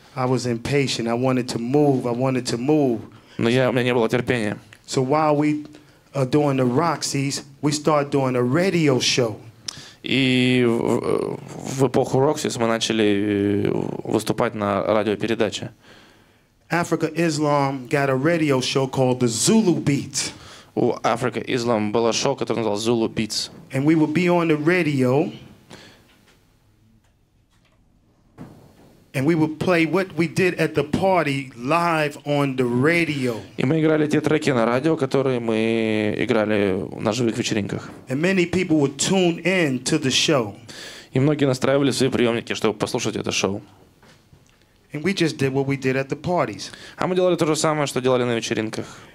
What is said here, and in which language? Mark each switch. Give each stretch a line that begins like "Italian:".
English: I was impatient. I wanted to move. I wanted to move.
Russian: Но у меня не было терпения.
English: So while we are doing the Roxy's, we start doing a radio show.
Russian: И в эпоху Roxy's мы начали выступать на радиопередаче.
English: Afrika Islam got a radio show called the Zulu Beats.
Russian: У Afrika Islam было шоу, которое называлось Zulu Beats.
English: And we would be on the radio. And we would play what we did at the party live on the radio.
Russian: И мы играли те треки на радио, которые мы играли на живых вечеринках.
English: And many people would tune in to the show.
Russian: И многие настраивали свои приемники, чтобы послушать это шоу.
English: And we just did what we did at the parties.
Russian: А мы делали то же самое, что делали на вечеринках.